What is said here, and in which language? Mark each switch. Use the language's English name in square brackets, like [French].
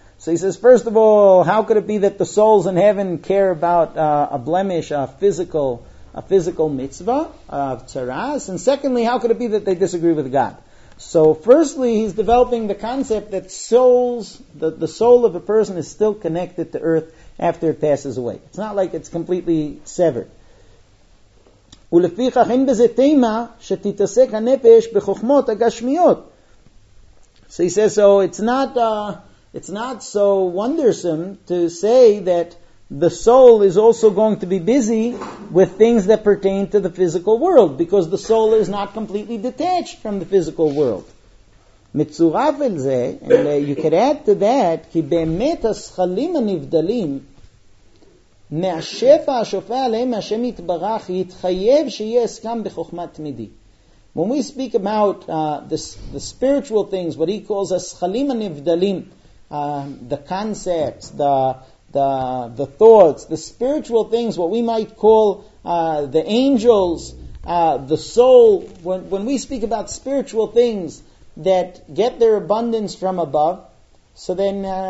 [English] So he says, first of all, how could it be that the souls in heaven care about a blemish, a physical mitzvah of tzaras? And secondly, how could it be that they disagree with God? So firstly, he's developing the concept that souls, the soul of a person is still connected to earth after it passes away. It's not like it's completely severed. [Hebrew] ולפיכך אין בזה תימה שתתעסק הנפש בחוכמות הגשמיות. [English] So he says, so it's not so wondersome to say that the soul is also going to be busy with things that pertain to the physical world, because the soul is not completely detached from the physical world. [Hebrew] מצורף אל זה, [English] and you could add to that, [Hebrew] כי באמת השכלים הנבדלים מהשפע השופע עליהם מהשם יתברך יתחייב שיהיה הסכם בחוכמת תמידי. [English] When we speak about the spiritual things, what he calls השכלים הנבדלים, the concepts, the thoughts, the spiritual things, what we might call the angels, the soul, when we speak about spiritual things that get their abundance from above, so then